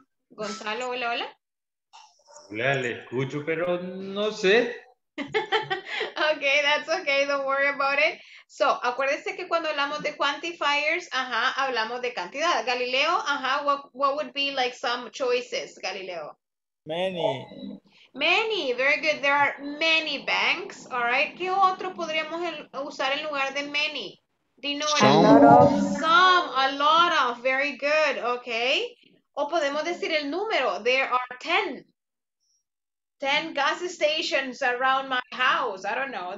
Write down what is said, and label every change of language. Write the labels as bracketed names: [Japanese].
[Spanish] Gonzalo, hola, hola. Hola, le escucho, pero no sé. [English] Okay, that's okay, don't worry about it. [Spanish] So, acuérdense que cuando hablamos de quantifiers, ajá, hablamos de cantidad. [English] Galileo, ajá, what would be like some choices, Galileo? Many. Many, very good. There are many banks, all right. [Spanish] ¿Qué otro podríamos usar en lugar de many? [English] Some, a lot of, very good, okay. [Spanish] O podemos decir el número, [English] there are 10. 10 gas stations around my house. I don't know.